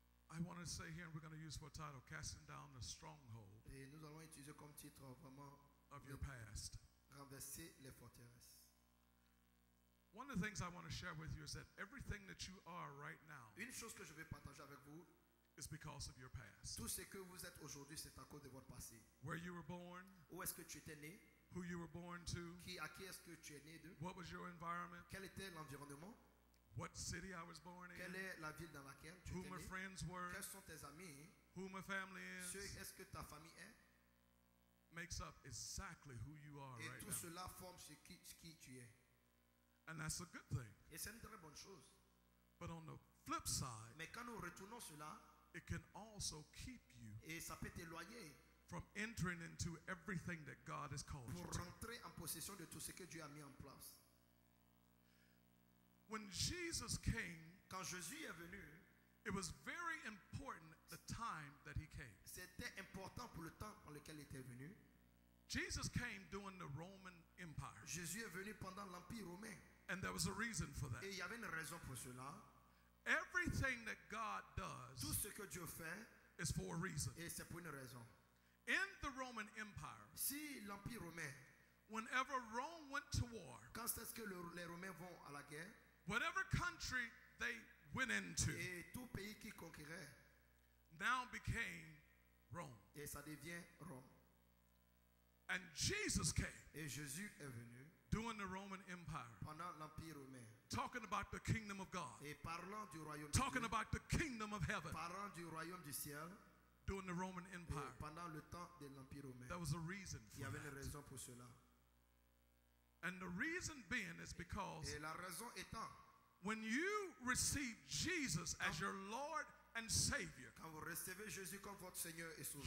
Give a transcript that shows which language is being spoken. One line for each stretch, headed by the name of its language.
English: I want to say here, and we're going to use for a title, casting down the stronghold
French: et nous allons utiliser comme titre vraiment
English: of your past.
French: Renverser les forteresses.
English: One of the things I want to share with you is that everything that you are right now
French: une chose que je vais partager avec vous,
English: is because of your past.
French: Tout ce que vous êtes aujourd'hui, c'est à cause de votre passé.
English: Where you were born,
French: où est-ce que tu étais né,
English: who you were born to,
French: à qui est-ce que tu es né de,
English: what was your environment,
French: quel était l'environnement,
English: what city I was born in,
French: quelle est la ville dans laquelle tu
English: who my friends were,
French: quels sont tes amis,
English: who my family is,
French: ce est-ce que ta famille est,
English: makes up exactly who you are
French: et
English: right
French: tout
English: now.
French: Cela forme ce qui tu es.
English: And that's a good thing.
French: Et c'est une très bonne chose.
English: But on the flip side,
French: mais quand nous retournons cela,
English: it can also keep you
French: et ça peut t'éloigner
English: from entering into everything that God has called
French: pour
English: you
French: rentrer
English: to.
French: En possession de tout ce que Dieu a mis en place.
English: When Jesus came,
French: quand Jésus est venu,
English: it was very important the time that he came.
French: C'était important pour le temps dans lequel il était venu.
English: Jesus came during the Roman Empire.
French: Jésus est venu pendant l'Empire romain.
English: And there was a reason for that.
French: Et il y avait une raison pour cela.
English: Everything that God does,
French: tout ce que Dieu fait,
English: is for a reason.
French: Et c'est pour une raison.
English: In the Roman Empire,
French: si l'Empire romain,
English: whenever Rome went to war,
French: quand est-ce que les Romains vont à la guerre,
English: whatever country they went into,
French: et tout pays qui conquérait,
English: now became Rome.
French: Et ça devient Rome.
English: And Jesus came,
French: et Jésus est venu,
English: during the Roman Empire,
French: pendant l'Empire romain,
English: talking about the kingdom of God,
French: et parlant du royaume,
English: talking
French: du
English: about the kingdom of heaven,
French: parlant du royaume du ciel,
English: during the Roman Empire,
French: et pendant le temps de l'Empire romain,
English: there was a reason for
French: y avait
English: that.
French: Une raison pour cela.
English: And the reason being is because
French: et la raison étant,
English: when you receive Jesus as your Lord and Savior,
French: quand vous recevez Jésus comme votre Seigneur et sauveur,